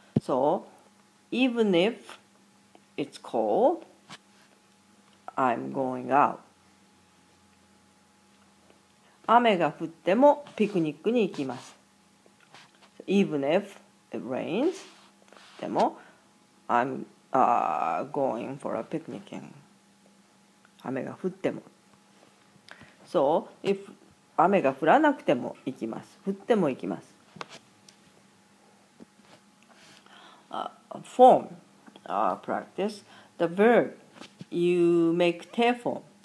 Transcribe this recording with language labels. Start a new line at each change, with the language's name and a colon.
English: So, even if it's cold, I'm going out.
Japanese: 雨が降ってもピクニックに行きます。
English: So, even if it rains,
Japanese: でも
English: I'm going for a picnic.
Japanese: 雨が降っても。
English: So, if
Japanese: 雨が降らなくても行きます。降っても行きます。
English: Form, practice, the verb, you make te form.